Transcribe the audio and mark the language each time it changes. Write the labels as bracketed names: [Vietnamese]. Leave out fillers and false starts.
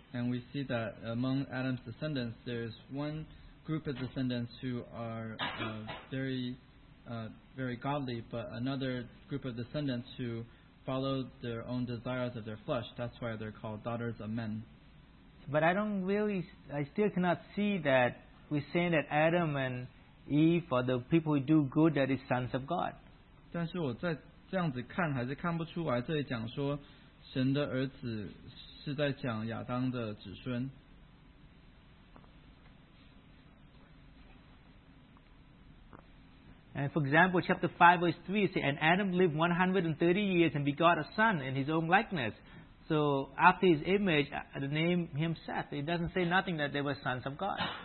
[English] we see that among Adam's descendants, there's one group of descendants who are very godly, but another group of descendants who follow their own desires of their flesh. That's why they're called daughters of men. But I still cannot see that. We say that Adam and Eve are the people who do good, that is sons of God. [Chinese] 但是我在这样子看，还是看不出来。这里讲说，神的儿子是在讲亚当的子孙。 [English] And for example, chapter 5, verse 3 says, "And Adam lived 130 years and begot a son in his own likeness. So after his image, the name him Seth." It doesn't say nothing that they were sons of God.